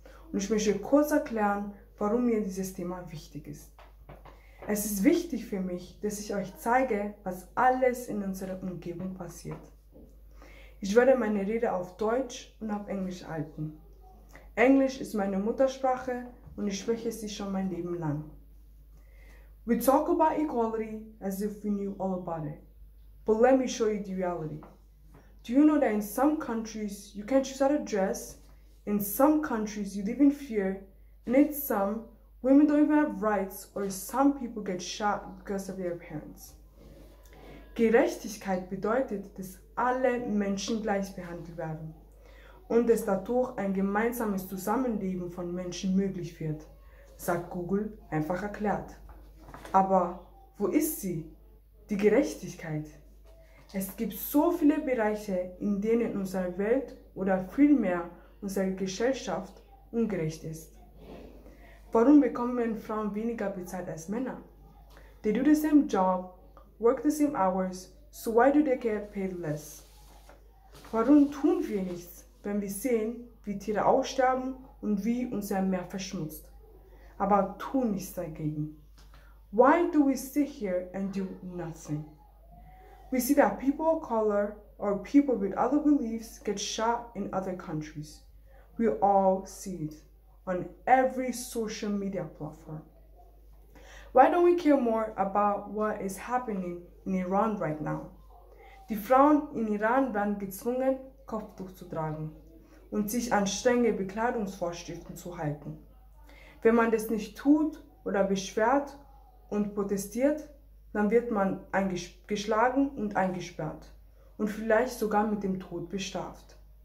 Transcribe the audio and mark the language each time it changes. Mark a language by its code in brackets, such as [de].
[de] Und ich möchte kurz erklären, warum mir dieses Thema wichtig ist. Es ist wichtig für mich, dass ich euch zeige, was alles in unserer Umgebung passiert. Ich werde meine Rede auf Deutsch und auf Englisch halten. Englisch ist meine Muttersprache und ich spreche sie schon mein Leben lang. [en] We talk about equality as if we knew all about it. But let me show you the reality. Do you know that in some countries you can choose how to dress? In some countries you live in fear, and in some, women don't even have rights, or some people get shot because of their parents. [de] Gerechtigkeit bedeutet, dass alle Menschen gleich behandelt werden und dass dadurch ein gemeinsames Zusammenleben von Menschen möglich wird, sagt Google einfach erklärt. Aber wo ist sie? Die Gerechtigkeit. Es gibt so viele Bereiche, in denen unsere Welt oder vielmehr unsere Gesellschaft ungerecht ist. Warum bekommen Frauen weniger bezahlt als Männer? [en] They do the same job, work the same hours, so why do they get paid less? [de] Warum tun wir nichts, wenn wir sehen, wie Tiere aussterben und wie unser Meer verschmutzt? Aber tun nichts dagegen. [en] Why do we sit here and do nothing? We see that people of color or people with other beliefs get shot in other countries. We all see it on every social media platform. Why don't we care more about what is happening in Iran right now? [de] Die Frauen in Iran werden gezwungen, Kopftuch zu tragen und sich an strenge Bekleidungsvorschriften zu halten. Wenn man das nicht tut oder beschwert und protestiert, dann wird man geschlagen und eingesperrt und vielleicht sogar mit dem Tod bestraft.